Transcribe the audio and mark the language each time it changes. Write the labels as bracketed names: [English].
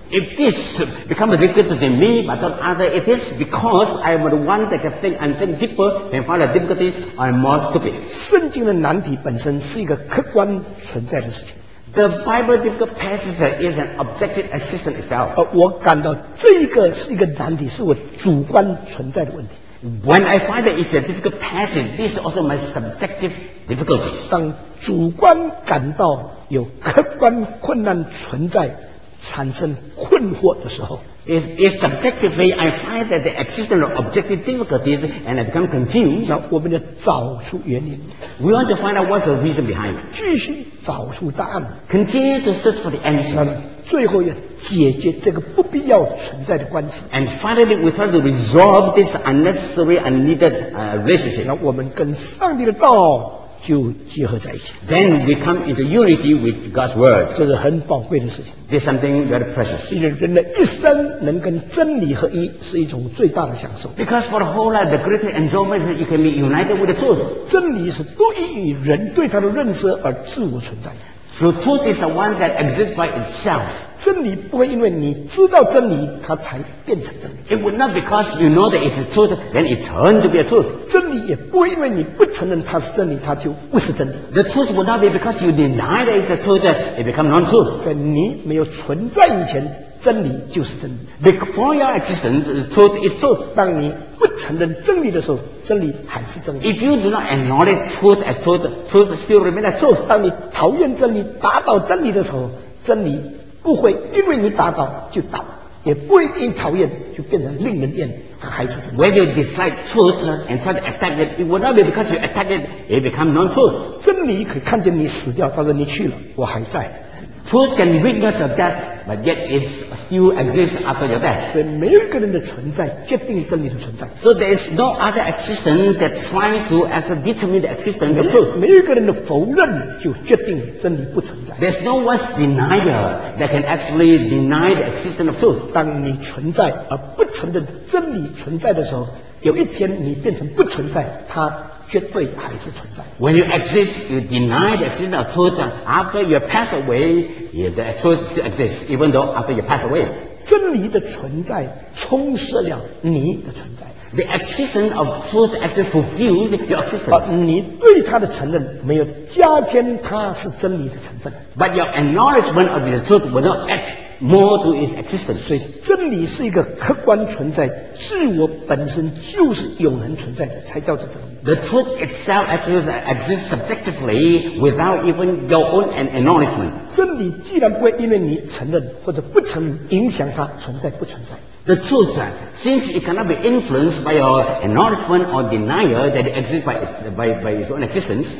[English] If this becomes a difficulty to me, but not other, it is because I am the one that can think and think deeper and find a difficulty, I am more stupid. [Chinese] 圣经的难题本身是一个客观存在的事情。 [English] The Bible difficult passage is an objective existence itself. [Chinese] 我感到这个是一个难题，是我主观存在的问题。 [English] When I find that it's a difficult passage, this is also my subjective difficulty. [Chinese] 当主观感到有客观困难存在产生困惑的时候 [English] if subjectively I find that the existence of objective difficulties and I become confused [Chinese] 那我们就找出原因 [English] we want to find out what's the reason behind it [Chinese] 继续找出答案 [English] continue to search for the answer [Chinese] 最后要解决这个不必要存在的关系 [English] and finally we try to resolve this unnecessary unneeded relationship [Chinese] 那我们跟上帝的道就结合在一起 [English] Then we come into unity with God's word. [Chinese] 这是很宝贵的事情 [English] This is something very precious. [Chinese] 因为人的一生能跟真理合一是一种最大的享受 [English] Because for the whole life, the greater enjoyment is you can be united with the truth. [Chinese] 真理是不依于人对它的认识而自我存在 [English] So truth is the one that exists by itself. [Chinese] 真理不会因为你知道真理它才变成真理 [English] It would not because you know that it's truth, then it turns to be a truth. [Chinese] 真理也不会因为你不承认它是真理它就不是真理 [English] The truth would not be because you deny that it's a truth, it becomes non-truth. [Chinese] 在你没有存在以前真理就是真理 [English] Before your existence, the truth is truth. [Chinese] 当你不承认真理的时候真理还是真理 [English] If you do not acknowledge truth as truth, truth still remains as truth. [Chinese] 当你讨厌真理打倒真理的时候真理不会因为你打倒就倒也不一定讨厌就变成令人厌它还是真理 [English] Whether you dislike truth and try to attack it it will not be because you attack it it becomes non-truth [Chinese] 真理可看见你死掉到时候你去了我还在 [English] Truth can witness your death but yet it still exists after your death [Chinese] 所以没有一个人的存在决定真理的存在 [English] So there is no other existence that trying to as a determine the existence of truth [Chinese] 没有一个人的否认就决定真理不存在 [English] There is no one's denier that can actually deny the existence of truth [Chinese] 当你存在而不承认真理存在的时候有一天你变成不存在它绝对还是存在 [English] When you exist, you deny the existence of truth after you pass away the truth still exists even though after you pass away [Chinese] 真理的存在充实了你的存在 [English] The existence of truth actually fulfills your existence [Chinese] 你对它的承认没有加添它是真理的成分 [English] But your acknowledgement of the truth will not add more to its existence [Chinese] 所以真理是一个客观存在自我本身就是永恒存在才叫做真理 [English] The truth itself actually exists subjectively without even your own acknowledgement [Chinese] 真理既然不会因为你承认或者不承认影响它存在不存在 [English] The truth since it cannot be influenced by your acknowledgement or denial that it exists by its own existence